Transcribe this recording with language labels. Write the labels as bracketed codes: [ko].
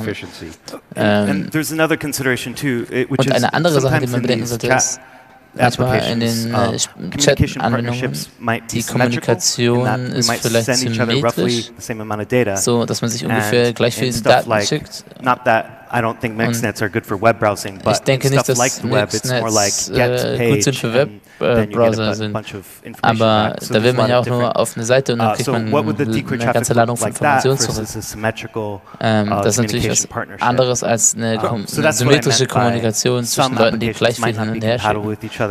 [de] Und eine andere Sache, die man bedenken sollte, ist, manchmal in den Chat-Anwendungen, die Kommunikation ist vielleicht symmetrisch, so dass man sich ungefähr gleich viel Daten schickt. [en] I don't think mixnets are good for web browsing, but [de] ich denke nicht, [en] stuff like the web, it's more like get to page, browser sind. [de] Aber so da will man ja auch nur auf eine Seite und dann kriegt man eine ganze Ladung von Informationen zurück. Das ist natürlich was anderes als eine symmetrische Kommunikation zwischen Leuten, die gleich viel hin und her schicken.